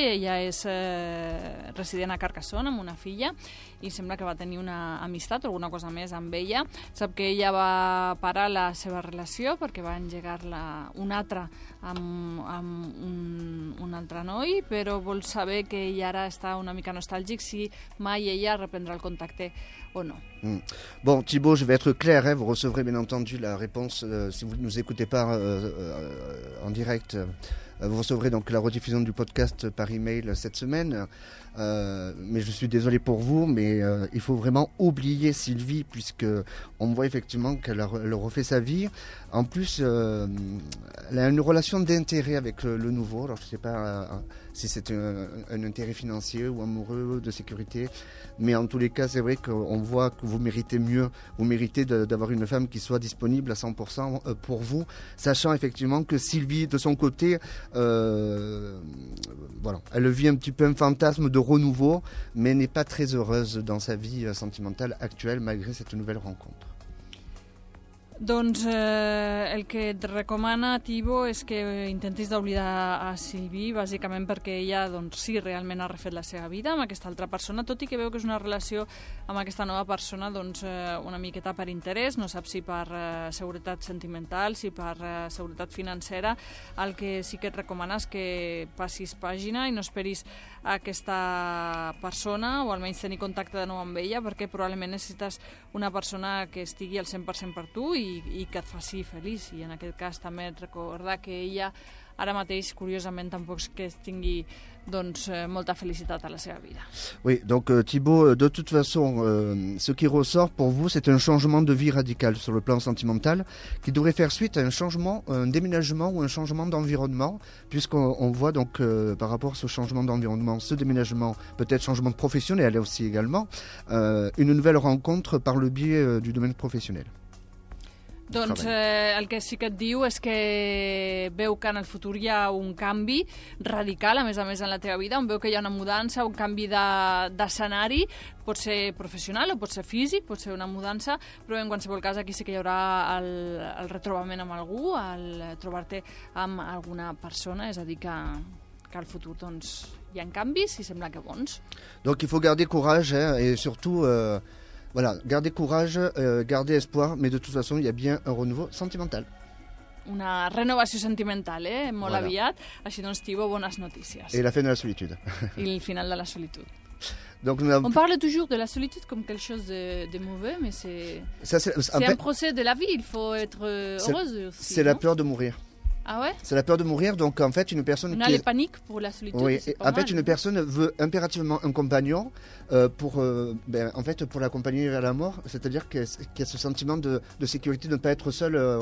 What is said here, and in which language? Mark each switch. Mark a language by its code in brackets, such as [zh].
[ca] Ella és resident a Carcassonne amb una filla i sembla que va tenir una amistat o alguna cosa més amb ella. Sap que ella va parar la seva relació perquè va engegar-la una altra amb un altre noi, però vol saber que ella ara està una mica nostàlgic si mai ella reprendrà el contacte. [fr] Oh non. Bon, Thibaut, je vais être clair, hein, vous recevrez bien entendu la réponse si vous ne nous écoutez pas en direct. Vous recevrez donc la rediffusion du podcast par email cette semaine. Mais je suis désolé pour vous, mais il faut vraiment oublier Sylvie, puisqu'on voit effectivement qu'elle a refait sa vie. En plus, elle a une relation d'intérêt avec le nouveau. Alors, je ne sais pas si c'est un intérêt financier ou amoureux de sécurité. Mais en tous les cas, c'est vrai qu'on voit que vous méritez mieux. Vous méritez d'avoir une femme qui soit disponible à 100% pour vous, sachant effectivement que Sylvie, de son côté, voilà, elle vit un petit peu un fantasme de renouveau, mais n'est pas très heureuse dans sa vie sentimentale actuelle malgré cette nouvelle rencontre. [ca] Doncs el que et recomana Tibo és que intentis d'oblidar a Sylvie, bàsicament perquè ella doncs sí realment ha refet la seva vida amb aquesta altra persona, tot i que veu que és una relació amb aquesta nova persona doncs una miqueta per interès, no sap si per seguretat sentimental, si per seguretat financera. El que sí que et recomana és que passis pàgina i no esperis a aquesta persona o almenys tenir contacte de nou amb ella, perquè probablement necessites una persona que estigui al 100% per tu i que et faci feliç. I en aquest cas també et recorda que ella ara mateix, curiosament, tampoc que tingui doncs molta felicitat a la seva vida. [fr] Oui, donc Thibaut, de toute façon, ce qui ressort pour vous, c'est un changement de vie radical sur le plan sentimental qui devrait faire suite à un changement, un déménagement ou un changement d'environnement, puisqu'on voit donc par rapport à ce changement d'environnement, ce déménagement, peut-être changement professionnel aussi également, une nouvelle rencontre par le biais du domaine professionnel. [ca] Doncs el que sí que et diu és que veu que en el futur hi ha un canvi radical, a més en la teva vida, on veu que hi ha una mudança, un canvi d'escenari, pot ser professional o pot ser físic, pot ser una mudança, però en qualsevol cas aquí sí que hi haurà el retrobament amb algú, el trobar-te amb alguna persona, és a dir que el futur doncs hi ha canvis i sembla que bons. [fr] Donc il faut garder courage, et surtout... Voilà, gardez courage, gardez espoir, mais de toute façon, il y a bien un renouveau sentimental. [ca] Una renovació sentimental, molt voilà. Aviat. Així doncs, Tibo, bones notícies. [fr] Et la fin de la solitude. [ca] I el final de la solitud. [fr] Donc, on parle toujours de la solitude comme quelque chose de mauvais, mais c'est un procès de la vie, il faut être heureuse aussi. C'est la peur de mourir. Ah ouais? C'est la peur de mourir, donc en fait une personne... On a les paniques pour la solitude, oui. C'est pas en mal. En fait, une personne veut impérativement un compagnon pour l'accompagner vers la mort, c'est-à-dire qu'il y a ce sentiment de sécurité de ne pas être seul...